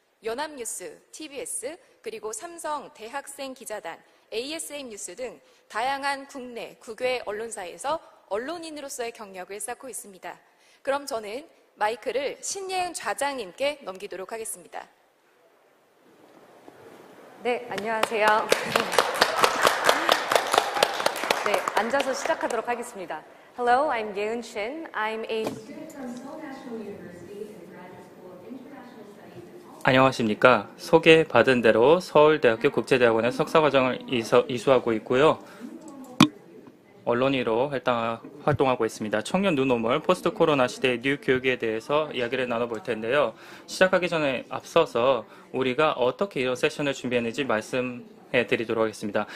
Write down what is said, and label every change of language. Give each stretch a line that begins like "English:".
Korean: 연합뉴스, TBS, 그리고 삼성 대학생 기자단, ASM 뉴스 등 다양한 국내, 국외 언론사에서 언론인으로서의 경력을 쌓고 있습니다. 그럼 저는 마이크를 신예은 좌장님께 넘기도록 하겠습니다. 네, 안녕하세요. 네, 앉아서 시작하도록 하겠습니다.
English: Hello, I'm Yeun Shin. I'm a student from Seoul National University and
Korean: 안녕하십니까? 소개받은 대로 서울대학교 국제대학원의 석사과정을 이수하고 있고요. 언론인으로 활동하고 있습니다. 청년 뉴노멀, 포스트 코로나 시대의 뉴 교육에 대해서 이야기를 나눠볼 텐데요. 시작하기 전에 앞서서 우리가 어떻게 이런 세션을 준비했는지 말씀해 드리도록 하겠습니다.